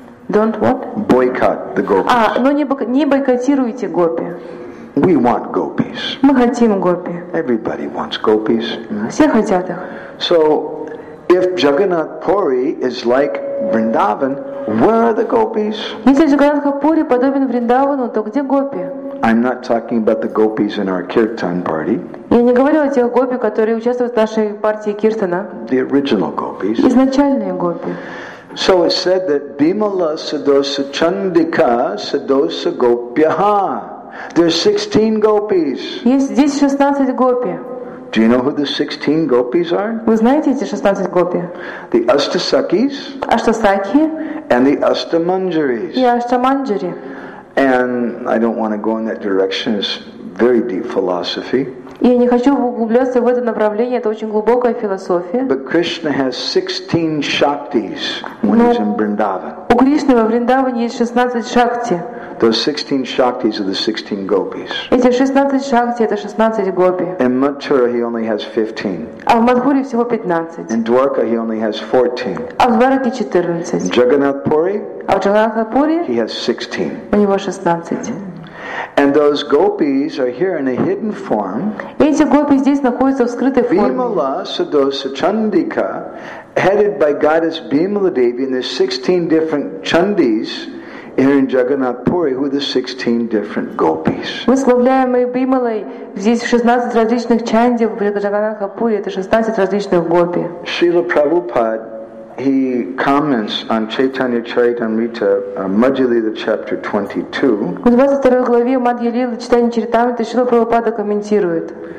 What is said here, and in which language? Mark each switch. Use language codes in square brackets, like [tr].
[en] Don't what? Boycott the gopis. [ru] А, но не бойкотируйте гопи. [en] We want gopis. [ru] Мы хотим гопи. [en] Everybody wants gopis. [ru] Все хотят их. [en] So, if Jagannath Puri is like Vrindavan, where are the gopis? [ru] Если Джаганнатха Пури подобен Вриндавану, то где гопи? [en] I'm not talking about the gopis in our kirtan party. [ru] Я не говорю о тех гопи, которые участвуют в нашей партии киртана. [en] The original gopis. [ru] Изначальные гопи. [en] So it said that [sa] Bhimala Sadosa Chandika Sadosa Gopyaha. [en] There's 16 gopis. [ru] Есть здесь 16 гопи. [en] Do you know who the 16 gopis are? [ru] Вы знаете эти 16 гопи? [en] The Ashtasakhis. [ru] Ashtasakhi. [en] And the Ashtamanjaris. [ru] И Ashtamanjari. [en] And I don't want to go in that direction. It's very deep philosophy. [ru] Я не хочу углубляться в это направление. Это очень глубокая философия. [en] But Krishna has 16 shaktis when he's in Vrindavan. [ru] У Кришны во Вриндаване есть 16 шакти. [en] Those 16 shaktis are the 16 gopis. [ru] Эти 16 шакти это 16 гопи. [en] In Mathura he only has 15. [ru] А в Мадхуре всего 15. [en] In Dwarka he only has 14. [ru] А в Двараке 14. [en] In Jagannath Puri? [ru] А в Джаганнатхапури? [en] He has 16. [ru] У него 16. [en] And those gopis are here in a hidden form. [ru] Эти гопи здесь находятся в скрытой форме. [en] Bhimala Sadosa Chandika, headed by goddess Bhimala Devi, and there's 16 different chandis. Here in Jagannath Puri, who are the 16 different gopis? [ru] Мы славляем Бхималой здесь 16 различных чандев в Джаганнатхапури. Это 16 различных гопи. [en] Srila Prabhupada he comments on Chaitanya Charitamrita, Madhyalila chapter 22. [ru] В 22 главе Мадхьялилы Чайтанья Чаритамриты Шрила Прабхупада комментирует.